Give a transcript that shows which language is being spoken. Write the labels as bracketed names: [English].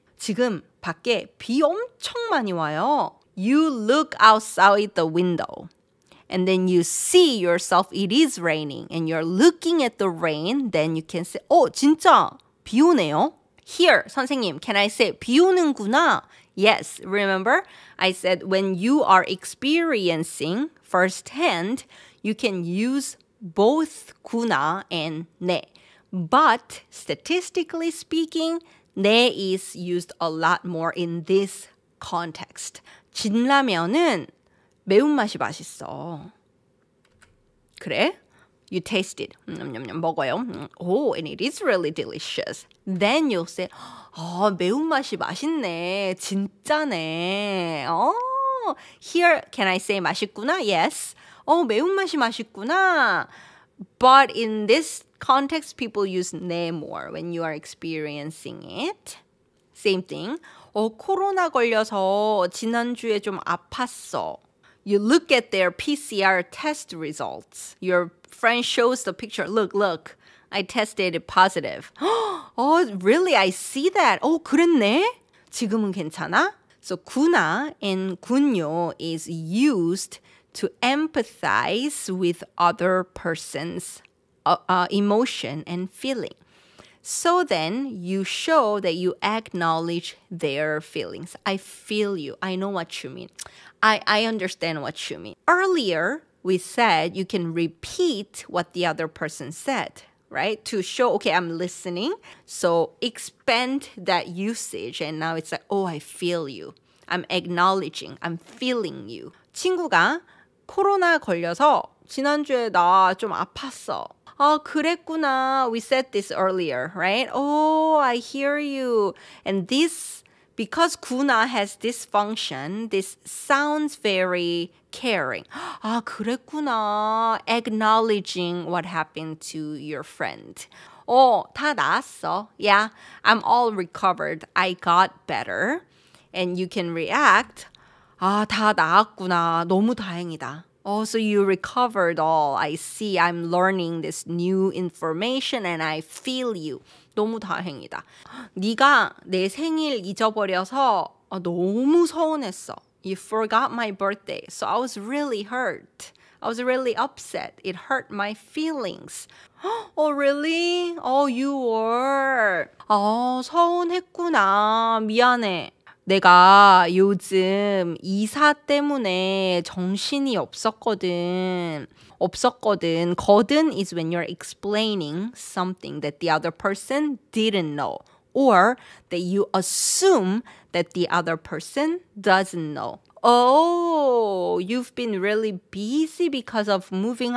[Korean] 지금 밖에 비 엄청 많이 와요. [English] You look outside the window and then you see yourself, it is raining and you're looking at the rain, then you can say, [Korean] 어, 진짜 비 오네요. [English] Here, 선생님, can I say [Korean] 비 오는구나? [English] Yes, remember? I said when you are experiencing firsthand, you can use both 구나 and 네. But statistically speaking, 네 is used a lot more in this context. [Korean] 진라면은 매운맛이 맛있어. 그래? [English] You taste it. [Korean] 냠냠냠 먹어요. [English] Oh, and it is really delicious. Then you'll say, [Korean] 아, 매운맛이 맛있네. 진짜네. [English] Oh, here, can I say [Korean] 맛있구나? [English] Yes. [Korean] 어, 매운맛이 맛있구나. [English] But in this context, people use 네 more when you are experiencing it. Same thing. [Korean] 어, 코로나 걸려서 지난주에 좀 아팠어. [English] You look at their PCR test results. Your friend shows the picture. Look, look. I tested it positive. Oh, really? I see that. Oh, [Korean] 그랬네? 지금은 괜찮아? [English] So, 구나 and 군요 is used to empathize with other person's emotion and feeling. So then, you show that you acknowledge their feelings. I feel you. I know what you mean. I understand what you mean. Earlier, we said you can repeat what the other person said, right? To show, okay, I'm listening. So expand that usage. And now it's like, oh, I feel you. I'm acknowledging. I'm feeling you. [Korean] 친구가 코로나 걸려서 지난주에 나 좀 아팠어. 아, 그랬구나. [English] We said this earlier, right? Oh, I hear you. And this, because 구나 has this function, this sounds very caring. [Korean] 아, 그랬구나. [English] Acknowledging what happened to your friend. [Korean] 어, 다 나았어. [English] Yeah, I'm all recovered. I got better. And you can react. [Korean] 아, 다 나았구나. 너무 다행이다. [English] Oh, so you recovered all. I see. I'm learning this new information and I feel you. [Korean] 너무 다행이다. 네가 내 생일 잊어버려서 너무 서운했어. [English] You forgot my birthday. So I was really hurt. I was really upset. It hurt my feelings. Oh, really? Oh, you were. Oh, [Korean] 서운했구나. 미안해. 내가 요즘 이사 때문에 정신이 없었거든. [English] 거든 is when you're explaining something that the other person didn't know or that you assume that the other person doesn't know. Oh, you've been really busy because of moving.